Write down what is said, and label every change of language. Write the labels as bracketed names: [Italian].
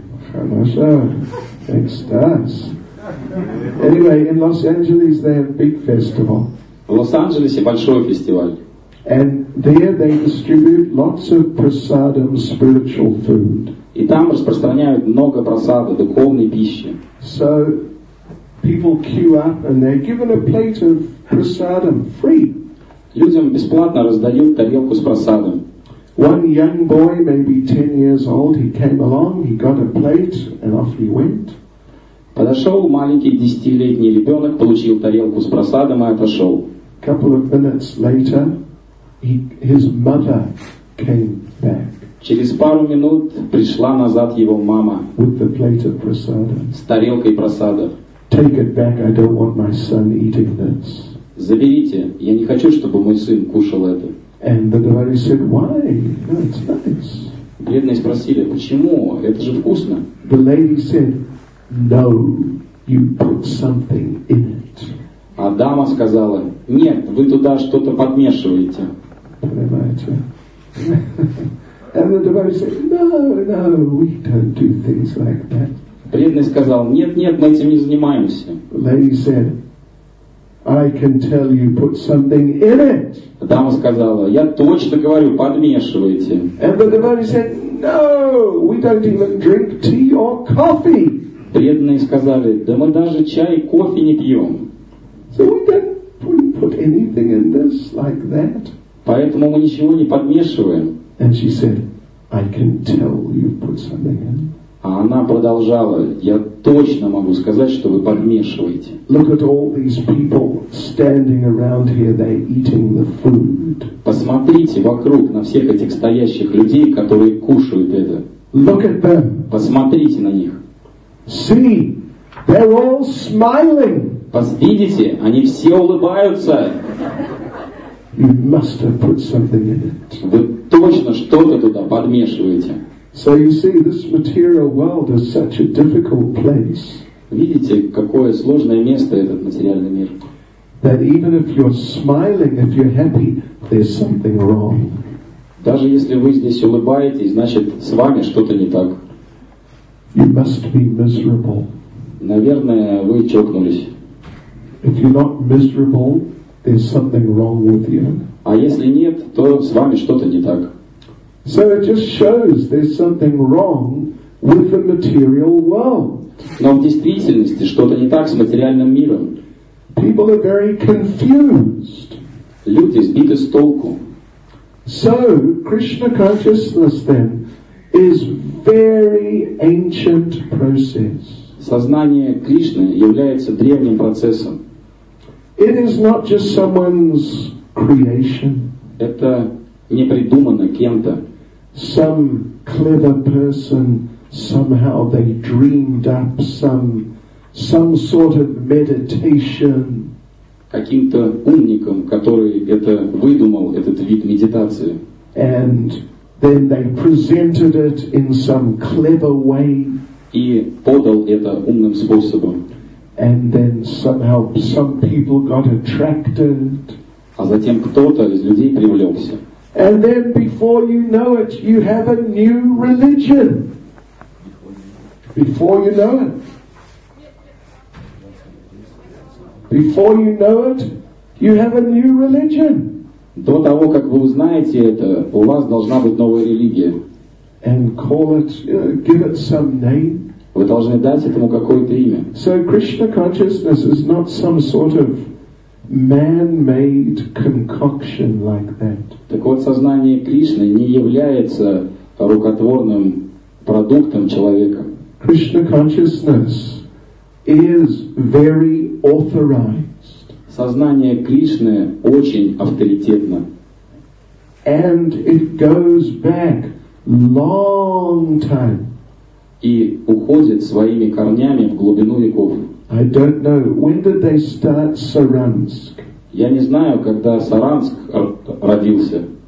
[Russian] Хорошо. Экстаз. [English] Anyway, in Los Angeles they have big festival. [Russian] В Лос-Анджелесе большой фестиваль. [English] And there they distribute lots of prasadam, spiritual food. [Russian] И там распространяют много прасады, духовной пищи. [English] So, People queue up and they're given a plate of prasadam free. [Russian] Людям бесплатно раздают тарелку с просадом. [English] One young boy, maybe 10 years old, he came along, he got a plate, and off he went. [Russian] Подошел маленький 10-летний ребенок, получил тарелку с просадом и отошел. [English] Couple of minutes later, his mother came back. [Russian] Через пару минут пришла назад его мама. [English] With the plate of prasada. [Russian] С тарелкой просада. [English] Take it back, I don't want my son eating this. [Russian] Заберите, я не хочу, чтобы мой сын кушал это. [English] And the Devotee said, why? That's nice. [Russian] Бедные спросили, почему? Это же вкусно. [English] The lady said, no, you put something in it. [Russian] А дама сказала, нет, вы туда что-то подмешиваете. Понимаете? [English] And the Devotee said, no, no, we don't do things like that. [Russian] Бедный сказал, нет, нет, мы этим не занимаемся. [English] The lady said, I can tell you put something in it. [Russian] Дама сказала, я точно говорю, подмешивайте. [English] And the devotee said, no, we don't even drink tea or coffee. [Russian] Преданные сказали, да мы даже чай и кофе не пьем. [English] So we don't put anything in this like that. [Russian] Поэтому мы ничего не подмешиваем. [English] And she said, I can tell you put something in. [Russian] А она продолжала, я точно могу сказать, что вы подмешиваете. [English] Look at all these people standing around here, they're eating the food. [Russian] Посмотрите вокруг на всех этих стоящих людей, которые кушают это. [English] Look at them. [Russian] Посмотрите на них. [English] See, they're all smiling. [Russian] Видите, они все улыбаются. [English] You must have put something in it. [Russian] Вы точно что-то туда подмешиваете. [English] So you see, this material world is such a difficult place. [Russian] Видите, какое сложное место этот материальный мир. [English] That even if you're smiling, if you're happy, there's something wrong. [Russian] Даже если вы здесь улыбаетесь, значит, с вами что-то не так. [English] You must be miserable. [Russian] Наверное, вы чокнулись. [English] If you're not miserable, there's something wrong with you. [Russian] А если нет, то с вами что-то не так. [English] So it just shows there's something wrong with the material world. [Russian] Но в действительности что-то не так с материальным миром. [English] People are very confused. [Russian] Люди сбиты с толку. [English] So Krishna consciousness then is very ancient process. [Russian] Сознание Кришны является древним процессом. [English] It is not just someone's creation. [Russian] Это не придумано кем-то. [English] Some clever person somehow they dreamed up some sort of meditation. [Russian] Каким-то умником, который это выдумал, этот вид медитации. [English] And then they presented it in some clever way. [Russian] И подал это умным способом. [English] And then somehow some people got attracted. [Russian] А затем кто-то из людей привлекся. [English] And then before you know it, you have a new religion. Before you know it. Before you know it, you have a new religion. [Russian] До того, как вы узнаете это, у вас должна быть новая религия. [English] And call it, give it some name. [Russian] Вы должны дать этому какое-то имя. [English] So Krishna consciousness is not some sort of man-made concoction like that. [Russian] Так вот, сознание Кришны не является рукотворным продуктом человека. [English] Krishna consciousness is very authorized. [Russian] Сознание Кришны очень авторитетно. [English] And it goes back long time. [Russian] И уходит своими корнями в глубину веков. [English] I don't know when did they start Saransk. [Russian] Я не знаю, когда Саранск родился.